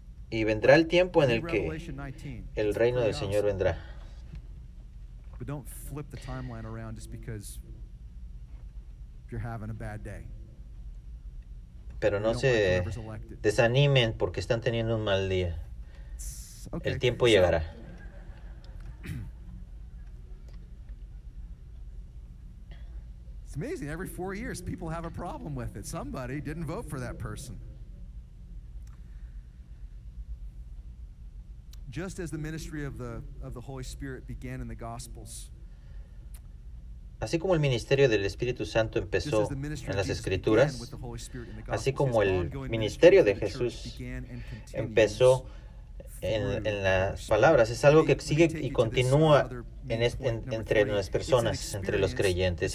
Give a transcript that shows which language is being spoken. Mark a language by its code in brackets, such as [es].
[es] Y vendrá el tiempo en el que el reino del Señor vendrá. Pero no [en] flip the timeline around just because you're having a bad day. [es] Pero no se desanimen porque están teniendo un mal día. El tiempo llegará. [en] It's amazing. Every 4 years, people have a problem with it. Somebody didn't vote for that person. Just as the ministry of the Holy Spirit began in the Gospels. [es] Así como el ministerio del Espíritu Santo empezó en las Escrituras, así como el ministerio de Jesús empezó en las palabras, es algo que sigue y continúa entre las personas, entre los creyentes.